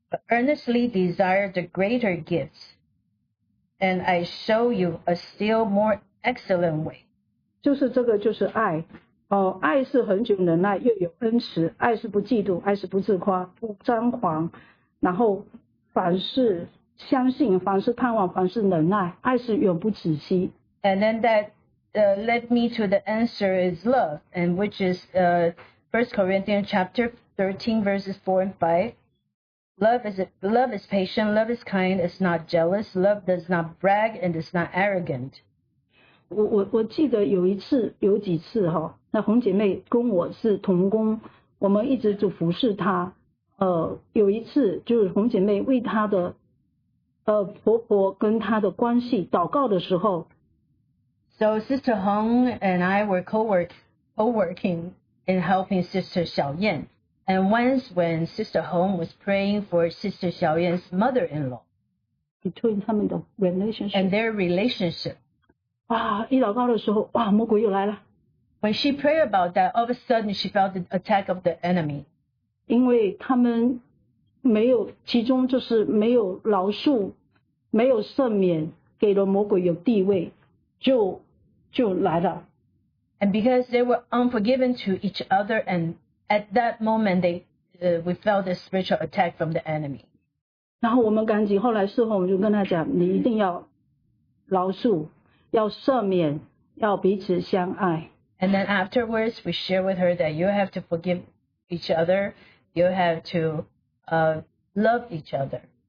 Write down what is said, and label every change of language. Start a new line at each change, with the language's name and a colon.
English: Earnestly desire the greater gifts, and I show you a still more excellent way.
Chinese: 就是这个就是爱。爱是恒久忍耐，又有恩慈。爱是不嫉妒，爱是不自夸，不张狂。然后凡事相信，凡事盼望，凡事忍耐。爱是永不止息。
English: And then that led me to the answer is love, and which is First Corinthians chapter 13 verses 4 and 5. Love is patient. Love is kind. It's not jealous. Love does not brag and is not arrogant.
Chinese: 我记得有一次，有几次哈。那红姐妹跟我是同工，我们一直就服侍她。有一次就是红姐妹为她的婆婆跟她的关系祷告的时候。
English: So Sister Hong and I were co-working in helping Sister Xiao Yan. And once when Sister Hong was praying for Sister Xiaoyan's mother-in-law, between
Chinese: 他们的
English: relationship and their relationship,
Chinese: 哇，一祷告的时候，哇，魔鬼又来了。
English: When she prayed about that, all of a sudden she felt the attack of the enemy.
Chinese: 因为他们没有，其中就是没有饶恕，没有赦免，给了魔鬼有地位，就来了。
English: And because they were unforgiven to each other, and at that moment they we felt a spiritual attack from the enemy.
Chinese: 然后我们赶紧后来事后，我们就跟他讲，你一定要饶恕，要赦免，要彼此相爱。
English: And then afterwards, we share with her that you have to forgive each other, you have to love each other.